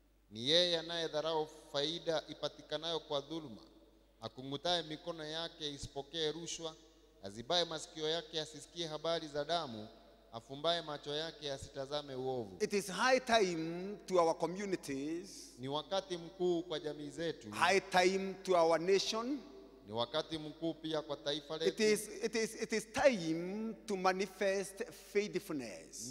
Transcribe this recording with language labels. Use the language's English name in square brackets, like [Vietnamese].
[Swahili] Ni yeye anayedharau faida ipatikanayo kwa dhuluma, akungutaye mikono yake isipokee rushwa, azibaye masikio yake asisikie habari za damu, afumbaye macho yake asitazame uovu. [English] It is high time to our communities. [Swahili] Ni wakati mkuu kwa jamii zetu. [English] High time to our nation. [Swahili] Ni wakati mkuu pia kwa taifa letu. [English] It is time to manifest faithfulness.